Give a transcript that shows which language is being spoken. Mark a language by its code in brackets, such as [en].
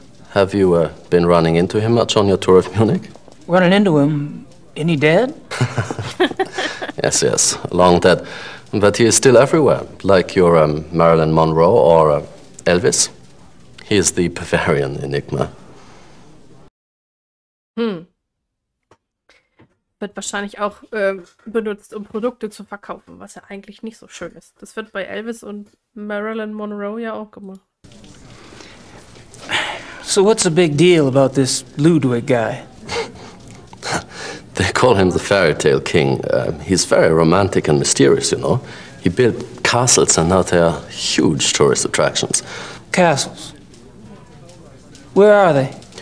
[en] Have you been running into him much on your tour of Munich? Running into him? Isn't he dead? Yes, yes, long dead. But he is still everywhere, like your Marilyn Monroe or Elvis. He is the Bavarian enigma. [de] Wird wahrscheinlich auch benutzt, um Produkte zu verkaufen, was ja eigentlich nicht so schön ist. Das wird bei Elvis und Marilyn Monroe ja auch gemacht. [en] So what's the big deal about this Ludwig guy? They call him the fairy tale king. He's very romantic and mysterious, you know. He built castles and now they are huge tourist attractions. Castles? Where are they?